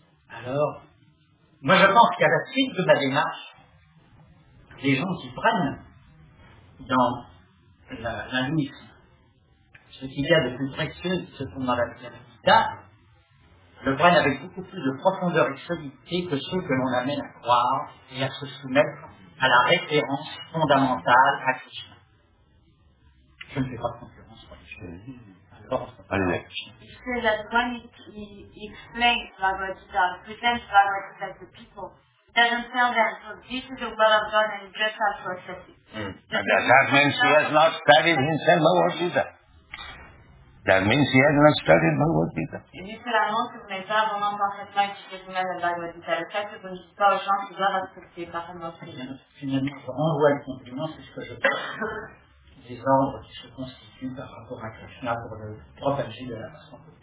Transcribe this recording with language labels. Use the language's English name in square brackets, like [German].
[French] Alors, moi je pense qu'à la suite de ma démarche, les gens qui prennent dans l'hindouisme ce qu'il y a de plus précieux qui se trouve dans la Bhagavad-Gita, le prennent avec beaucoup plus de profondeur et de solidité que ceux que l'on amène à croire et à se soumettre à la référence fondamentale à Krishna. Je ne fais pas de concurrence pour les choses. [English] He says that when he explains Bhagavad Gita, presents Bhagavad Gita to people, he doesn't tell them, so this is the will of God and just have to accept it. That means he has not studied himself Bhagavad Gita. That means he has not studied Bhagavad Gita. [French] Et il fait l'annonce que vous n'avez pas vraiment parfaitement expliqué vous-même la Bhagavad Gita. Le fait que vous ne dites pas aux gens qu'ils doivent accepter parfaitement ce qu'ils disent. Finalement, je renvoie le compliment, c'est ce que je pense. Des ordres qui se constituent par rapport à Krishna pour le propager de la façon